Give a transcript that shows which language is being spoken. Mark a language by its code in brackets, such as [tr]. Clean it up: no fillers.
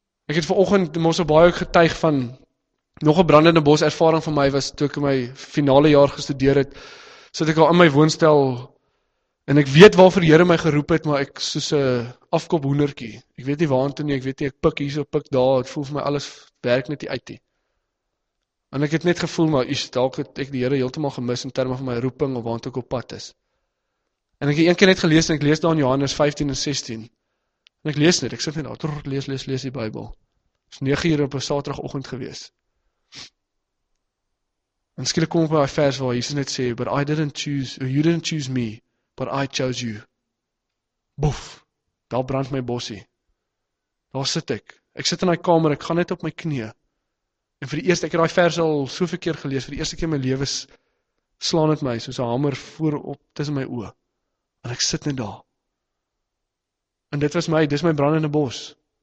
[af] Ek het vanoggend mos so baie ook getuig van, nog 'n brandende bos ervaring van my was, toe ek in my finale jaar gestudeer het, sit ek al in my woonstel, en ek weet waarvoor die Here my geroep het, maar ek soos 'n afkop hoenderkie. Ek weet nie waantoe nie, ek weet nie, ek pik hier so, pik daar, het voel vir my alles werk net die uit die. En ek het net gevoel, maar is dalk het ek die Here heeltemal gemis in terme van my roeping of waantoe ek op pad is. En ek het een keer net gelees en ek lees daar in Johannes 15 en 16. En ek lees net, ek sit net daar, lees die Bybel. Dit is 9 uur op 'n Saterdagoggend gewees. En skielik kom ek by 'n vers waar Jesus net sê, [en] but I didn't choose, you didn't choose me, but I chose you. [af] Boef, daar brand my bossie. Daar sit ek. Ek sit in die kamer, ek gaan net op my knieën. En vir die eerste, ek het die vers al soveel keer gelees, vir die eerste keer in my lewe slaan het my, soos 'n hamer voorop tussen my oë. En ek sit net daar. En dit was my, dis my brandende bos.